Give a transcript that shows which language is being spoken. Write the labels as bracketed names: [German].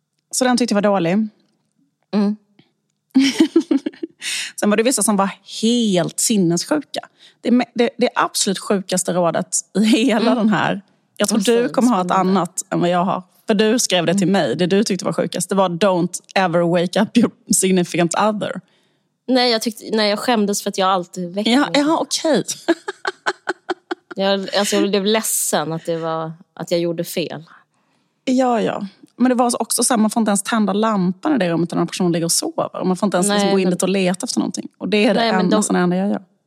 [Swedish] Så den tyckte jag var dålig. Sen var det vissa som var helt sinnessjuka. Det absolut sjukaste rådet i hela den här. Jag tror du kommer ha ett annat än vad jag har. För du skrev det till mig, det du tyckte var sjukast. Det var [English] don't ever wake up your significant other. [Swedish] Nej, jag skämdes för att jag alltid väckte. Ja, okej. Jag blev ledsen att jag gjorde fel. Ja. Men det var också så här, man får inte ens tända lampan i det rummet när den här personen ligger och sover. Man får inte ens gå in dit och leta efter någonting. Och det är det enda jag gör.